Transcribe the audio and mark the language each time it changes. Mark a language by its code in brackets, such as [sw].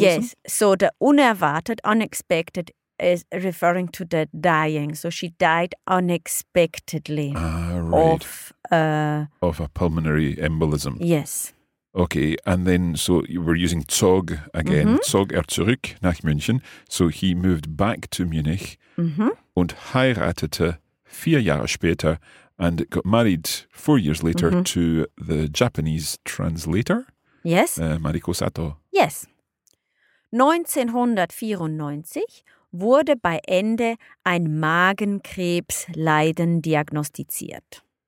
[en] Yes. So the unerwartet, unexpected, is referring to the dying. So she died unexpectedly of a pulmonary embolism. Yes. Okay. And then, so we're using zog again. [de] Zog zurück nach München. [en] So he moved back to Munich [de] und heiratete 4 Jahre später. [en] And got married 4 years later to the Japanese translator. Yes. Mariko Sato. Yes. [de] 1994 wurde bei Ende ein Magenkrebsleiden diagnostiziert.